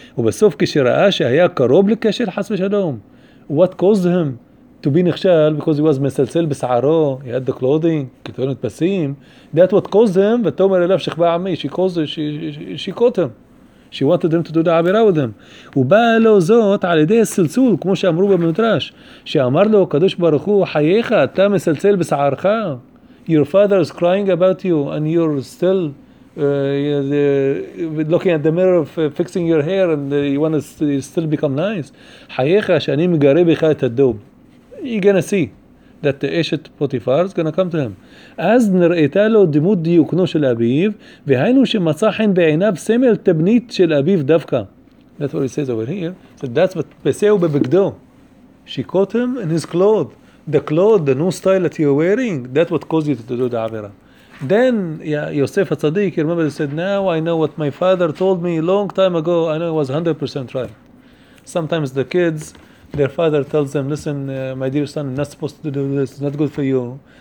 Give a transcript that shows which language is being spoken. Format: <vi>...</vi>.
<he>Ubasof kishira'a she'haya karob l'kashir chas v'shalom.</he> <en>What caused him to be nikhshal? Because he was mesalsel b'sa'aro, he had the clothing, ketonet pasim. That what caused him, but</en> <he>Tomer elav shechba ami,</he> <en>she caught him. She wanted him to do the Abira with him.</en> <he>ובא לו זאת על ידי הסלסול, כמו שאמרו במדרש, שאמר לו, קדוש ברוך הוא, חייך, אתה מסלסל בסערך.</he> <en>Your father is crying about you, and you're still looking at the mirror of fixing your hair, and you want to still become nice.</en> <he>חייך, שאני מגרה בך את הדוב.</he> <en>You're going to see that the אשת פוטיפר is going to come to him.</en> <he>אז נראיתה לו דימות דיוקנו של אביו, והיינו שמצא חן בעיניו סמל תבנית של אביו דווקא.</he> <en>That's what he says over here. So that's what</en> <he>פסהו בבגדו.</he> <en>She caught him in his clothes. The clothes, the new style that you're wearing, that's what caused you to do the Avera. Then Yosef HaTzadik, you remember, he said, now I know what my father told me a long time ago. I know it was 100% right. Sometimes the kids, their father tells them, listen, my dear son, I'm not supposed to do this, it's not good for you.</en>